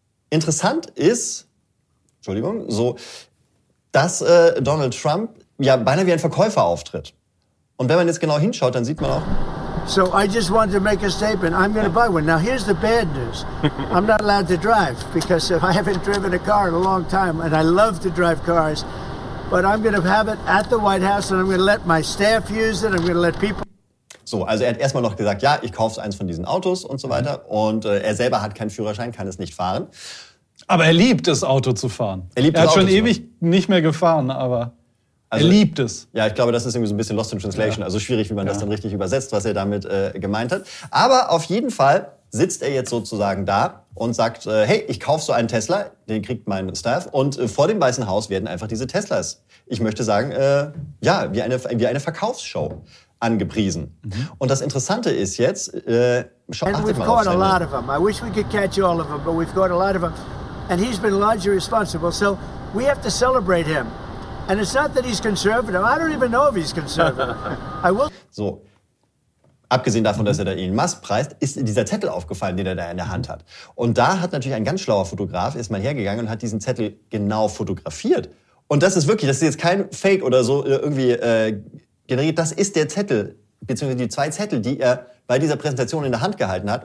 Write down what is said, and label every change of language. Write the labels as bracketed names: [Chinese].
[German] Interessant ist, dass Donald Trump ja beinahe wie ein Verkäufer auftritt. Und wenn man jetzt genau hinschaut, dann sieht man auch... [English] So I just wanted to make a statement. I'm going to buy one. Now here's the bad news. I'm not allowed to drive because I haven't driven a car in a long time and I love to drive cars. But I'm going to have it at the White House and I'm going to let my staff use it. I'm going to let people... [German] So, also er hat erstmal noch gesagt, ja, ich kaufe eins von diesen Autos und so weiter. Und er selber hat keinen Führerschein, kann es nicht fahren. Aber er liebt es, Auto zu fahren. Er hat schon ewig nicht mehr gefahren. Also, er liebt es. Ja, ich glaube, das ist irgendwie so ein bisschen [English] lost in translation. [German] Ja. Also schwierig, wie man das dann richtig übersetzt, was er damit gemeint hat. Aber auf jeden Fall sitzt er jetzt sozusagen da und sagt, hey, ich kaufe so einen Tesla, den kriegt mein Staff. Und vor dem Weißen Haus werden einfach diese Teslas, ich möchte sagen, ja, wie eine Verkaufsshow angepriesen. Mhm. Und das Interessante ist jetzt, achtet mal auf seine... [English] I wish we could catch all of them, but we've got a lot of them. And he's been largely responsible, so we have to celebrate him. And it's not that he's conservative. I don't even know if he's conservative. I will. [German] So, abgesehen davon, dass er da Elon Musk preist, ist dieser Zettel aufgefallen, den er da in der Hand hat. Und da hat natürlich ein ganz schlauer Fotograf, ist mal hergegangen und hat diesen Zettel genau fotografiert. Und das ist wirklich, das ist jetzt kein Fake oder so irgendwie generiert. Das ist der Zettel, beziehungsweise die zwei Zettel, die er bei dieser Präsentation in der Hand gehalten hat.